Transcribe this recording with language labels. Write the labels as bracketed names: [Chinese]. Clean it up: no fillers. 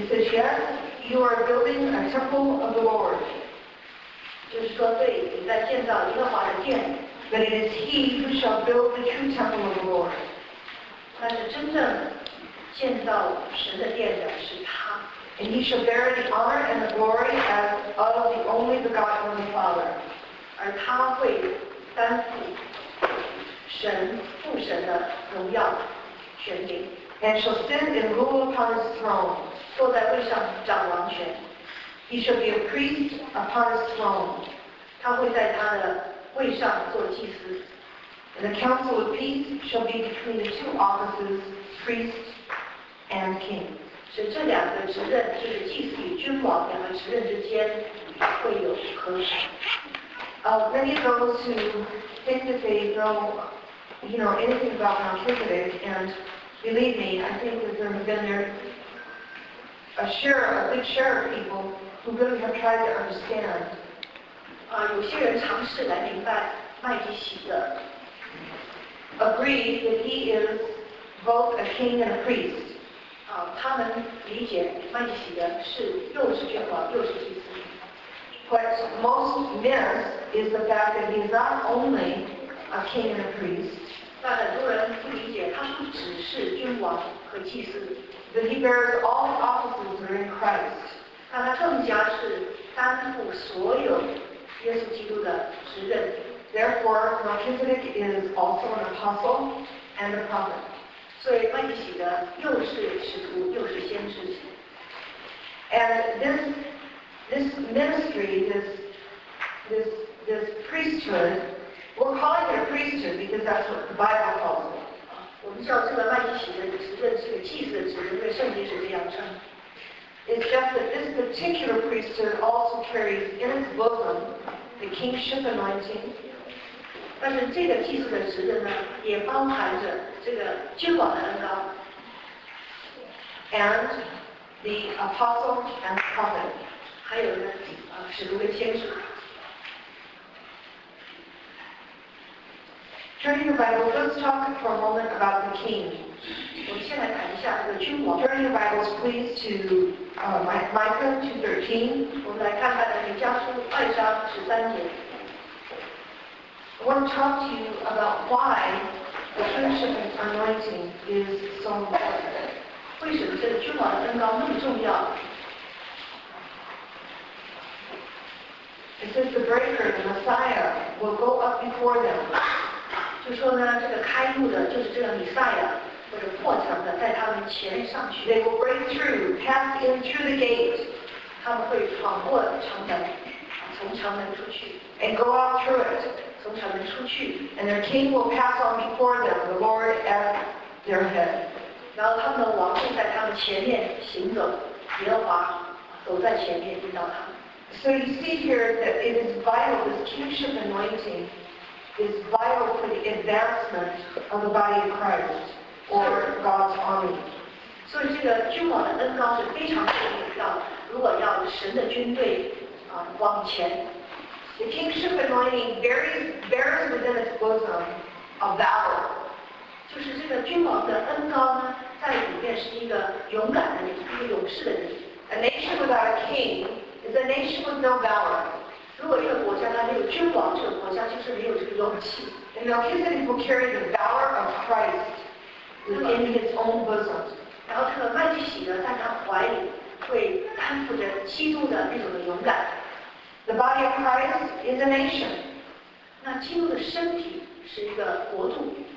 [English] It says, "Yes, you are building a temple of the Lord." [Chinese] 就是说，对，你在建造耶和华的殿。 [English] But it is He who shall build the true temple of the Lord. [Chinese] 那是真正建造神的殿的是他。 [English] And He shall bear the honor and the glory as of the only begotten of the Father. [Chinese] 而他会担负神父神的荣耀权柄 [English] and shall sit and rule upon his throne [Chinese] 坐在位上掌王权 [English] he shall be a priest upon his throne [Chinese] 他会在他的位上做祭司 [English] and the council of peace shall be between the two offices priest and king [Chinese] 是这两个职任就是祭司与君王两个职任之间会有和谐 [English] Many of those who think that they know, you know, anything about Melchizedek, and believe me, I think that there have been there a share, a big share of people who really have tried to understand. [Chinese] 有些人尝试来明白麦基洗德 [English] agree that he is both a king and a priest. [Chinese] 他们理解麦基洗德是又是君王又是祭司。 [English] What most miss is the fact that he is not only a king and a priest. [Chinese] 但很多人不理解，他不只是君王和祭司。 [English] That he bears all offices that are in Christ. [Chinese] 但他更加是担负所有耶稣基督的职任。 [English] Therefore, Melchizedek is also an apostle and a prophet. [Chinese] 所以麦基洗德又是使徒又是先知。 [English] And this ministry, this priesthood, we're calling it a priesthood because that's what the Bible calls it. [Chinese] 我们叫这个麦基洗的职任是个祭司的职任，对圣经是这样称。 [English] It's just that this particular priesthood also carries in its bosom the kingship anointing. [Chinese] 但是这个祭司的职任呢，也包含着这个君王的恩膏。 [English] And the apostle and the prophet. [Chinese] 还有呢，使徒跟先知。 [English] Turn your Bibles. Let's talk for a moment about the king. [Chinese] 我们先来谈一下这个君王。 [English] Turn your Bibles, please, to Micah 2:13. [Chinese] 我们来看看那个家书二章十三节。 [English] I want to talk to you about why the kingship anointing is so important. [Chinese] 为什么这个君王的恩膏那么重要？ [English] It says the breaker, the Messiah, will go up before them. [Chinese] 就说呢，这个开路的，就是这个弥赛亚或者破墙的，在他们前上去。 [English] They will break through, pass in through the gate. [Chinese] 他们会闯过城门，从城门出去。 [English] And go out through it. [Chinese] 从城门出去。 [English] And their king will pass on before them, the Lord at their head. [Chinese] 然后他们的王会在他们前面行走，耶和华走在前面引导他们。 [English] So you see here that it is vital, this kingship anointing. Is vital for the advancement of the body of Christ or God's army. So, this [Chinese] 个君王的恩膏是非常重要的。如果要神的军队啊往前 [English] ，the kingship anointing bears within its bosom a vow. [Chinese] 就是这个君王的恩膏呢，在里面是一个勇敢的人，一个勇士的人。 [English] A nation without a king is a nation with no valor. [Chinese] 如果一个国家它没有君王，这个国家就是没有这个勇气。 [English] And Melchizedek will carry the valor of Christ within his own bosom. [Chinese] 然后这个麦基洗德在他怀里会担负着基督的那种的勇敢。 [English] The body of Christ is a nation. [Chinese] 那基督的身体是一个国度。